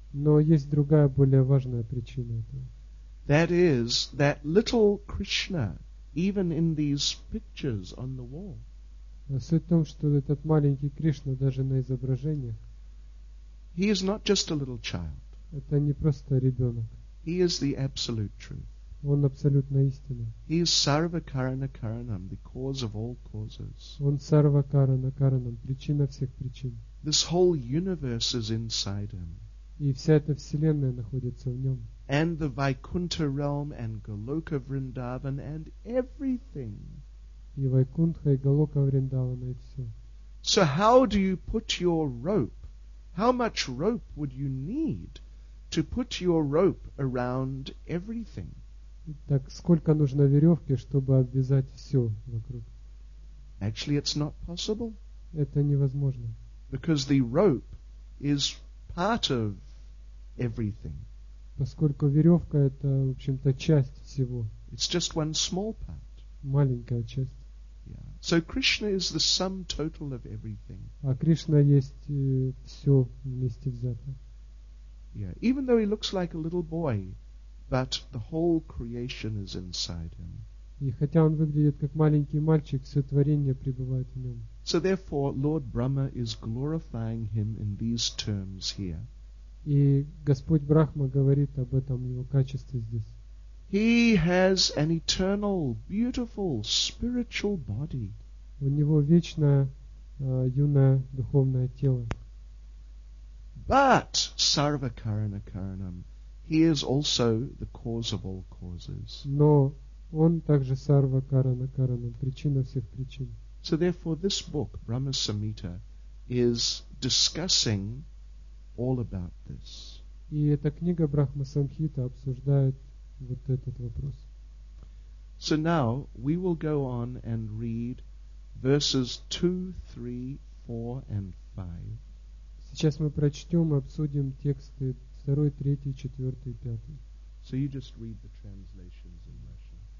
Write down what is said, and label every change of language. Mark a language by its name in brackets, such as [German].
[Russian] Но есть другая более важная причина этого. [English] That is that little Krishna, even in these pictures on the wall. [Russian] Суть в том, что этот маленький Кришна даже на изображениях. [English] He is not just a little child. [Russian] Это не просто ребенок. [English] He is the absolute truth. [Russian] Он абсолютная истина. [English] He is Sarva Karana Karanam, the cause of all causes. [Russian] Он Сарва Карана Каранам, причина всех причин. [English] This whole universe is inside him. [Russian] И вся эта вселенная находится в нем. [English] And the Vaikuntha realm and Goloka Vrindavan and everything. [Russian] И Вайкунтха, и Голока Вриндавана, и все. [English] So how do you put your rope? How much rope would you need to put your rope around everything? [Russian] Так сколько нужно веревки, чтобы обвязать все вокруг? [English] Actually, it's not possible. [Russian] Это невозможно. [English] Because the rope is part of everything. [Russian] Поскольку веревка — это, в общем-то, часть всего. [English] It's just one small part. [Russian] Маленькая часть. [English] Yeah. So Krishna is the sum total of everything. [Russian] А Кришна есть все вместе взято. [English] Yeah. Even though he looks like a little boy, but the whole creation is inside him. [Russian] И хотя он выглядит как маленький мальчик, все творение пребывает в нем. [English] So therefore, Lord Brahma is glorifying him in these terms here. [Russian] И Господь Брахма говорит об этом его качестве здесь. [English] He has an eternal, beautiful, spiritual body. [Russian] У него вечное, юное духовное тело. [English] But Sarva Karana Karanam, he is also the cause of all causes. [Russian] Но он также Сарва Карана Каранам, причина всех причин. [English] So therefore, this book, Brahma Samhita, is discussing all about this. [Russian] И эта книга Брахма Самхита обсуждает вот этот вопрос. [English] So now we will go on and read verses 2, 3, 4, and 5. [Russian] Сейчас мы прочтем и обсудим тексты 2, 3, 4, 5. [English] So you just read the translations in Russian.